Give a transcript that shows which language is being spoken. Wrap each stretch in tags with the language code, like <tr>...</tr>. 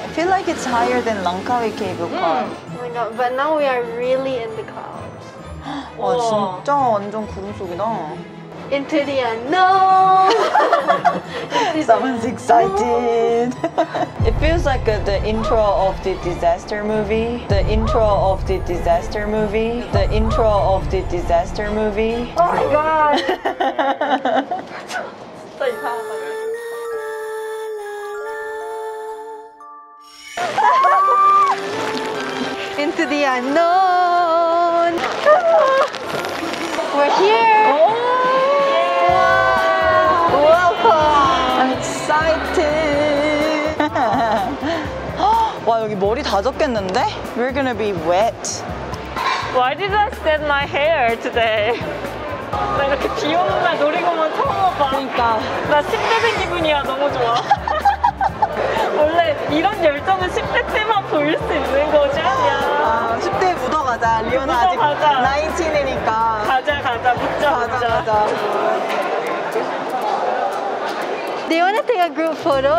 <en>I feel like it's higher than Langkawi cable car. Oh my god, but now we are really in the clouds.</en> <ko>와, 진짜 완전 구름 속이다.</ko> <en>Into the unknown! Someone's excited. It feels like the intro of the disaster movie. The intro of the disaster movie. The intro of the disaster movie. Oh my god! Into the unknown. We're here. Oh, wow. Welcome. I'm excited.</en> <ko>와 여기 머리 다 젖겠는데?</ko> <en>We're gonna be wet. Why did I set my hair today?</en> <ko>나 이렇게 비 오는 날 노리고만 처음 봐. 그러니까. 나 10대 된 기분이야. 너무 좋아. 원래 이런 열정은 10대 때만 보일 수 있는 거지 않냐? 10대 묻어가자. 리오나 아직 19이니까. 가자. 묻자. 가자.</ko> <en>Do you want to take a group photo?</en>